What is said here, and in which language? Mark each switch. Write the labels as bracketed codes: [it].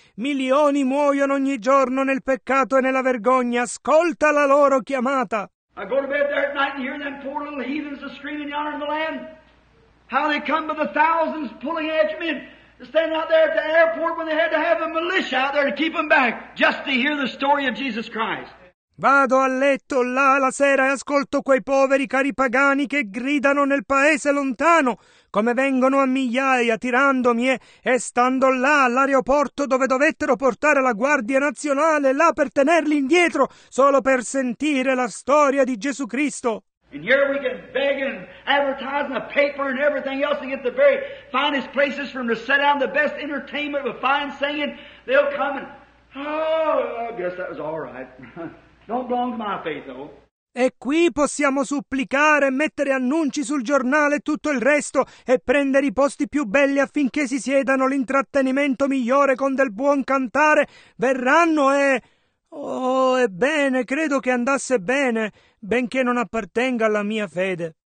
[it] Milioni muoiono ogni giorno nel peccato e nella vergogna. Ascolta la loro chiamata. [en] I go to bed there at night and hear them poor little heathens screaming yonder in the land. How they come by the thousands pulling edge men standing out there at the airport when they had to have a militia out there to keep them back just to hear the story of Jesus Christ. [it] Vado a letto là la sera e ascolto quei poveri cari pagani che gridano nel paese lontano, come vengono a migliaia tirandomi e stando là all'aeroporto dove dovettero portare la Guardia Nazionale là per tenerli indietro solo per sentire la storia di Gesù Cristo. [en] And here we get begging and advertising a paper and everything else to get the very finest places for them to set down the best entertainment with fine singing. They'll come and, oh, I guess that was all right. Don't belong to my faith, though. [it] E qui possiamo supplicare, mettere annunci sul giornale e tutto il resto e prendere i posti più belli affinché si siedano l'intrattenimento migliore con del buon cantare. Verranno e... Oh, ebbene, credo che andasse bene, benché non appartenga alla mia fede.